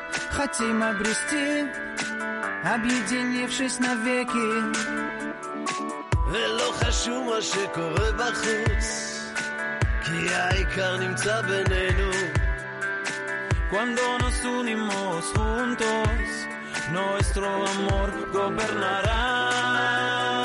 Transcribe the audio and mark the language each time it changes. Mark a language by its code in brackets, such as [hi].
[ru] Хотим обрести, объединившись навеки. [he] ולא חשוב מה שקורה בחוץ, כי העיקר נמצא בינינו. [es] Cuando nos unimos juntos, nuestro amor gobernará.